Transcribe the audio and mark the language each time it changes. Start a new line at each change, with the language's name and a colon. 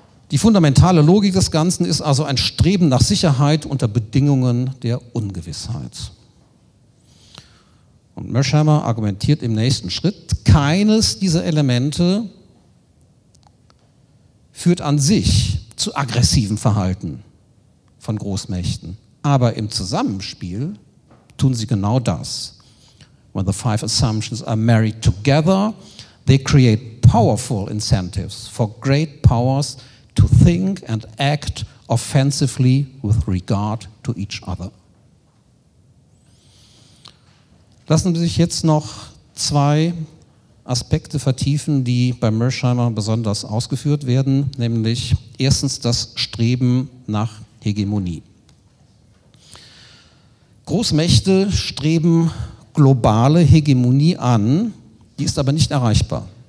German: Die fundamentale Logik des Ganzen ist also ein Streben nach Sicherheit unter Bedingungen der Ungewissheit. Und Mersheimer argumentiert im nächsten Schritt, keines dieser Elemente führt an sich zu aggressivem Verhalten von Großmächten. Aber im Zusammenspiel tun sie genau das.
English: When the five assumptions are married together, they create powerful incentives for great powers to think and act offensively with regard to each other.
German: Lassen Sie sich jetzt noch zwei Aspekte vertiefen, die bei Mersheimer besonders ausgeführt werden, nämlich erstens das Streben nach Hegemonie. Großmächte streben globale Hegemonie an, die ist aber nicht erreichbar.